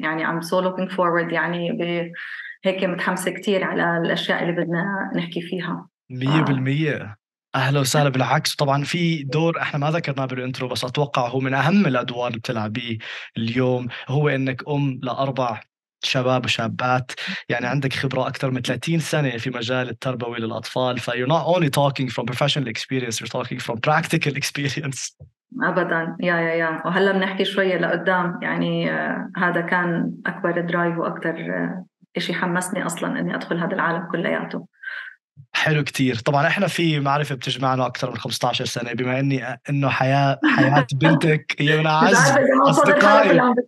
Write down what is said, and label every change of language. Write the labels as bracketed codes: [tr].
[ar] يعني [en] I'm so looking forward، [ar] يعني هيك متحمسة كتير على الأشياء اللي بدنا نحكي فيها. 100% أهلا وسهلا. بالعكس، طبعا في دور احنا ما ذكرناه بالإنترو بس أتوقع هو من أهم الأدوار اللي بتلعبيه اليوم، هو إنك أم لأربع شباب وشابات، يعني عندك خبرة أكثر من 30 سنة في مجال التربوي للأطفال. [en] ف you're not only talking from professional experience, you're talking from practical experience. [ar] أبداً، يا وهلا بنحكي شوية لقدام، يعني هذا كان أكبر درايف وأكثر إشي حمسني أصلاً أني أدخل هذا العالم كلياته. حلو كتير. طبعاً إحنا في معرفة بتجمعنا أكثر من 15 سنة، بما أني أنه حياة بنتك هي من أعز أصدقائي.